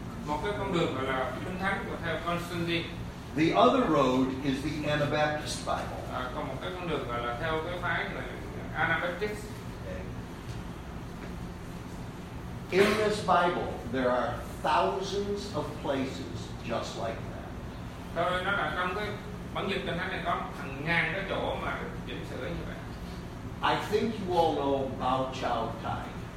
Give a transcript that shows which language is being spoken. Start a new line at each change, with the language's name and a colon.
Vietnamese: Một cái con đường là Kinh Thánh theo Constantine.
English: The other road is the Anabaptist Bible.
Vietnamese: Còn một cái con đường là theo cái phái là Anabaptist.
English: In this Bible, there are thousands of places just like that.
Vietnamese: Thôi, nó là trong cái bản dịch Kinh Thánh này có hàng ngàn cái chỗ mà chỉnh sửa như vậy.
English: I think you all know Bao Chao Tai.